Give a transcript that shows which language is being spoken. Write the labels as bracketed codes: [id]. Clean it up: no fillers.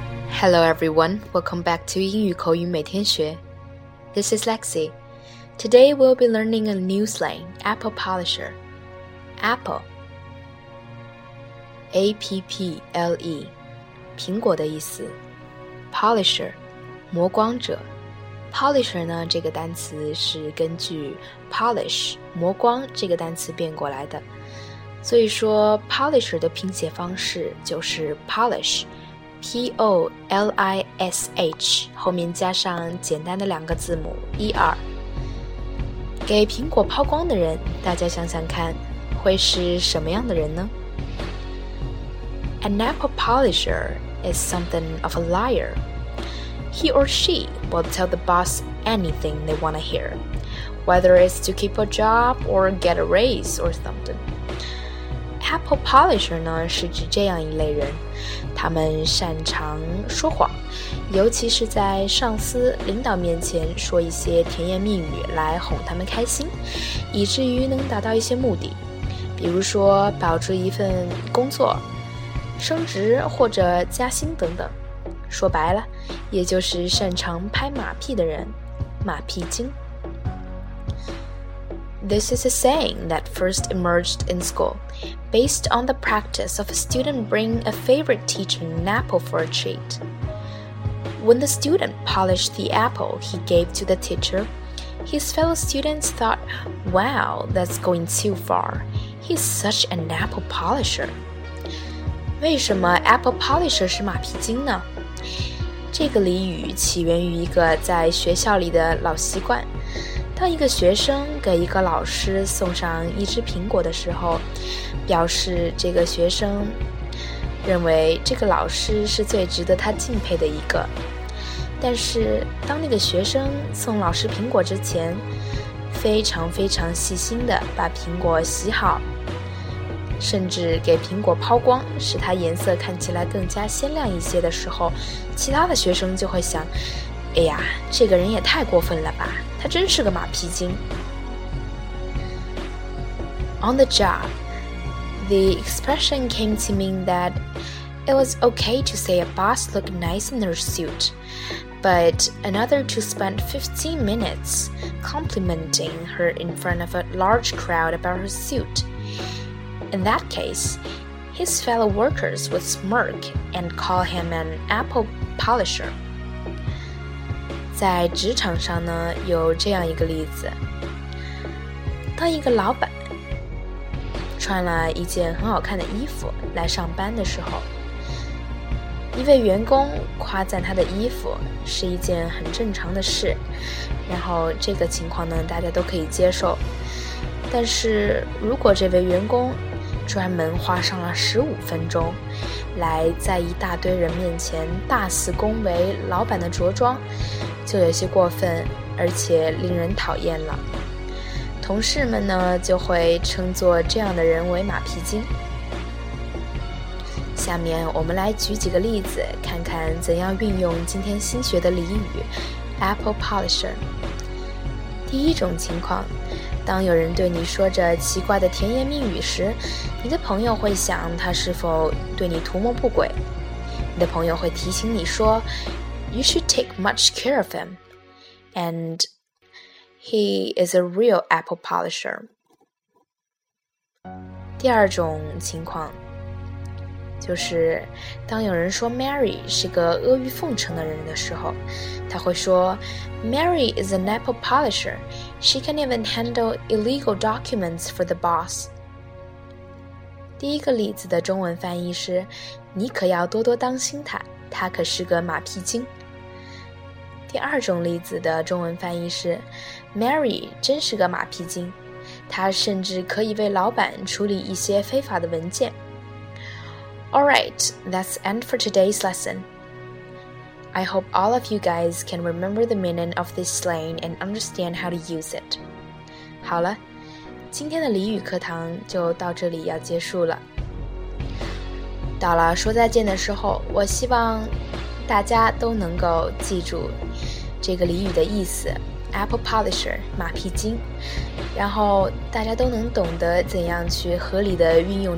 [en] Hello everyone, welcome back to 英语口语每天学。 This is Lexi. Today we'll be learning a new slang, apple polisher. [zh] Apple, A-P-P-L-E, 苹果的意思。 Polisher, 磨光者。Polisher 呢，这个单词是根据 polish, 磨光这个单词变过来的。所以说 polisher 的拼写方式就是 polish,P-O-L-I-S-H 后面加上简单的两个字母 E-R 给苹果抛光的人，大家想想看会是什么样的人呢？ [en] An apple polisher is something of a liar. He or she will tell the boss anything they want to hear, whether it's to keep a job or get a raise or something. [zh] Apple polisher 呢，是指这样一类人，他们擅长说谎，尤其是在上司、领导面前说一些甜言蜜语来哄他们开心，以至于能达到一些目的，比如说保住一份工作、升职或者加薪等等。说白了，也就是擅长拍马屁的人，马屁精。 [en] This is a saying that first emerged in school, based on the practice of a student bringing a favorite teacher an apple for a treat. When the student polished the apple he gave to the teacher, his fellow students thought, wow, that's going too far. He's such an apple polisher. [zh] 为什么 apple polisher 是马屁精呢？这个俚语起源于一个在学校里的老习惯。当一个学生给一个老师送上一只苹果的时候，表示这个学生认为这个老师是最值得他敬佩的一个。但是当那个学生送老师苹果之前，非常非常细心地把苹果洗好，甚至给苹果抛光，使它颜色看起来更加鲜亮一些的时候，其他的学生就会想，哎呀，这个人也太过分了吧，他真是个马屁精。 [en] On the job, the expression came to mean that it was okay to say a boss looked nice in their suit, but another to spend 15 minutes complimenting her in front of a large crowd about her suit. In that case, his fellow workers would smirk and call him an apple polisher. [zh] 在职场上呢，有这样一个例子。当一个老板穿了一件很好看的衣服来上班的时候，一位员工夸赞他的衣服是一件很正常的事，然后这个情况呢，大家都可以接受。但是如果这位员工专门花上了15分钟来在一大堆人面前大肆恭维老板的着装，就有些过分，而且令人讨厌了。同事们呢，就会称作这样的人为马屁精。下面我们来举几个例子，看看怎样运用今天新学的俚语 Apple polisher。第一种情况，当有人对你说着奇怪的甜言蜜语时，你的朋友会想他是否对你图谋不轨。你的朋友会提醒你说， [en] You should take much care of him, and he is a real apple polisher. [zh] 第二种情况，就是当有人说 Mary 是个阿谀奉承的人的时候，他会说 [en] Mary is an apple polisher. She can even handle illegal documents for the boss. [zh] 第一个例子的中文翻译是，你可要多多当心他，他可是个马屁精。第二种例子的中文翻译是 Mary 真是个马屁精，她甚至可以为老板处理一些非法的文件。 [en] Alright, that's end for today's lesson. I hope all of you guys can remember the meaning of this slang and understand how to use it. [zh] 好了，今天的俚语课堂就到这里要结束了。到了说再见的时候，我希望大家都能够记住这个俚语的意思 Apple polisher 马屁精，然后大家都能懂得怎样去合理的运用这个俚语。 [en] Thank you very much for listening.